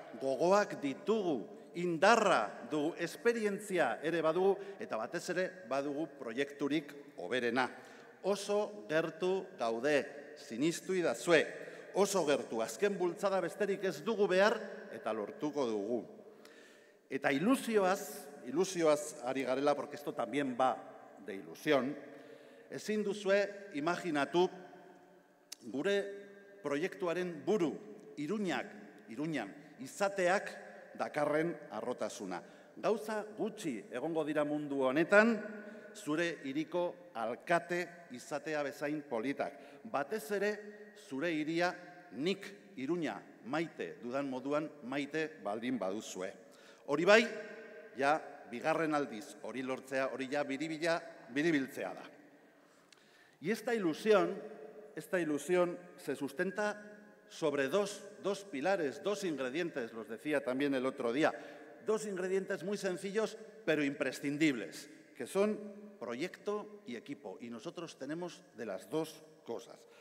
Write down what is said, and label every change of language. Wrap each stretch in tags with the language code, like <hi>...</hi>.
<eu>Gogoak ditugu, indarra du, esperientzia ere badugu eta batez ere badugu proiekturik hoberena. Oso gertu gaude, sinistu idazue. Oso gertu, azken bultzada besterik ez dugu behar eta lortuko dugu. Eta ilusioaz ari garela,</eu> <es>porque esto también va de ilusión.</es> <eu>Ezin duzue imaginatu gure proiektuaren buru Iruñak Iruñan, izateak dakarren arrotasuna. Gauza gutxi egongo dira mundu honetan, zure hiriko alkate izatea bezain politak. Batez ere, zure hiria nik Iruña maite dudan moduan maite baldin baduzue. Hori bai, ja, bigarren aldiz hori lortzea, hori ja biribila, biribiltzea da.</eu> <es>Y esta ilusión se sustenta sobre dos pilares, dos ingredientes, los decía también el otro día, dos ingredientes muy sencillos pero imprescindibles, que son proyecto y equipo, y nosotros tenemos de las dos cosas.</es>